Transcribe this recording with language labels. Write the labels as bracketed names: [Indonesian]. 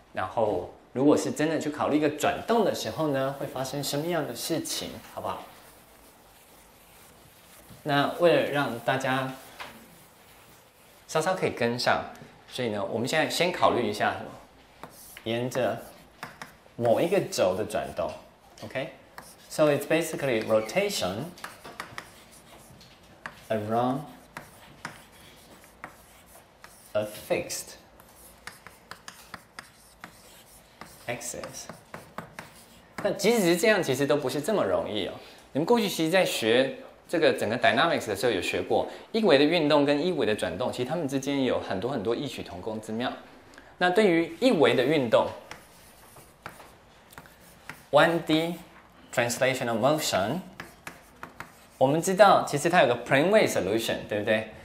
[Chinese] 然后如果是真的去考虑一个转动的时候呢，会发生什么样的事情，好不好？那为了让大家稍稍可以跟上。所以呢，我们现在先考虑一下什么，沿着某一个轴的转动 ，OK？ [English] So it's basically rotation around a fixed axis。 [Chinese] 那即使是这样，其实都不是这么容易哦。你们过去其实，在学这个整个 dynamics 的时候，有学过一维的运动跟一维的转动，其实它们之间有很多很多异曲同工之妙。那对于一维的运动 ， [English] 1D translational motion， [Chinese] 我们知道其实它有个 [English] plane wave solution， [Chinese] 对不对？